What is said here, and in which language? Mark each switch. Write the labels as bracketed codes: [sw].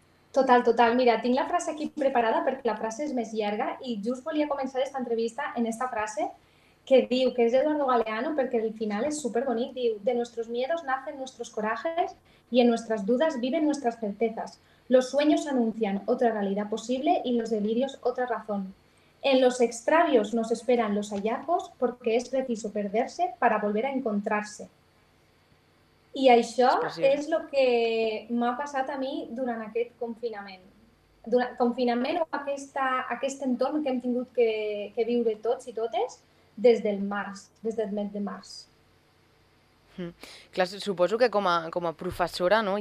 [ca] Total, total. Mira, tinc la frase aquí preparada perquè la frase és més llarga i just volia començar aquesta entrevista en aquesta frase, que diu, que és d'Eduardo Galeano, perquè al final és superbonic, diu: [es] de nuestros miedos nacen nuestros corajes y en nuestras dudas viven nuestras certezas. Los sueños anuncian otra realidad posible y los delirios otra razón. En los extravios nos esperan los hallazgos porque es preciso perderse para volver a encontrarse. [ca] I això és el que m'ha passat a mi durant aquest confinament. Durant confinament o aquest entorn que hem tingut que viure tots i totes, des del mes de març. Clar, suposo que com a professora, no?